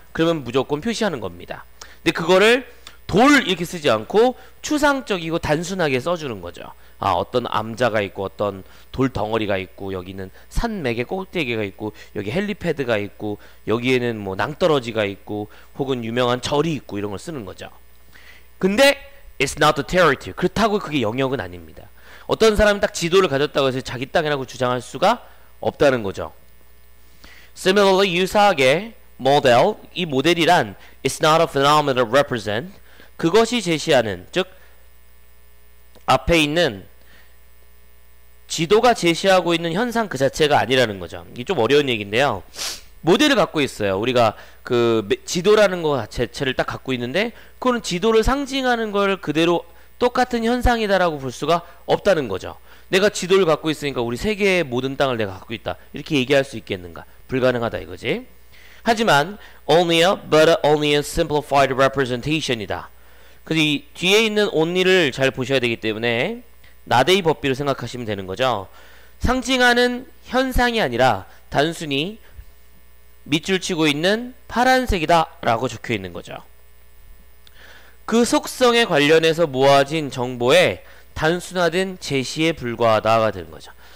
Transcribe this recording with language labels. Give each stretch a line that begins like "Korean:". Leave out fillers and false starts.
Korean: 그러면 무조건 표시하는 겁니다. 근데 그거를 돌 이렇게 쓰지 않고 추상적이고 단순하게 써주는 거죠. 아, 어떤 암자가 있고 어떤 돌덩어리가 있고 여기는 산맥의 꼭대기가 있고 여기 헬리패드가 있고 여기에는 뭐 낭떠러지가 있고 혹은 유명한 절이 있고 이런 걸 쓰는 거죠.
English: 근데 it's not a territory.
Korean: 그렇다고 그게 영역은 아닙니다. 어떤 사람이 딱 지도를 가졌다고 해서 자기 땅이라고 주장할 수가 없다는 거죠.
English: Similarly,
Korean: 유사하게 model, 이 모델이란
English: it's not a phenomenon to represent,
Korean: 그것이 제시하는, 즉 앞에 있는 지도가 제시하고 있는 현상 그 자체가 아니라는 거죠. 이게 좀 어려운 얘기인데요. 모델을 갖고 있어요. 우리가 그 지도라는 것 자체를 딱 갖고 있는데 그거는 지도를 상징하는 걸 그대로 똑같은 현상이다라고 볼 수가 없다는 거죠. 내가 지도를 갖고 있으니까 우리 세계의 모든 땅을 내가 갖고 있다 이렇게 얘기할 수 있겠는가? 불가능하다 이거지. 하지만
English: only a simplified representation이다.
Korean: 그 뒤에 있는 only를 잘 보셔야 되기 때문에 나데이 법비를 생각하시면 되는 거죠. 상징하는 현상이 아니라 단순히 밑줄 치고 있는 파란색이다 라고 적혀 있는 거죠. 그 속성에 관련해서 모아진 정보에 단순화된 제시에 불과하다가 되는 거죠.